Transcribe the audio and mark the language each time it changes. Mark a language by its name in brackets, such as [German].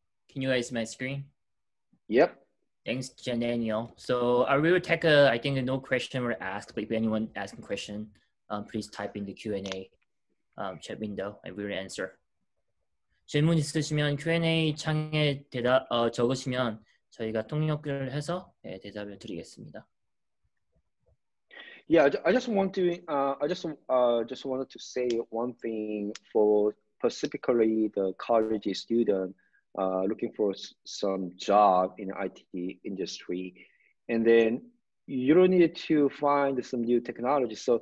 [English] Can you guys see my screen? Yep. Thanks, Jen Daniel. So I will take a, I think no question were asked, but if anyone asking question, please type in the Q&A chat window and we will answer. [Korean] 질문 있으시면 Q&A 창에 대답 적으시면 저희가 통역을 해서 네, 대답을 드리겠습니다. [English] Yeah, I just wanted to say one thing for specifically the college student looking for some job in IT industry, and then you don't need to find some new technology.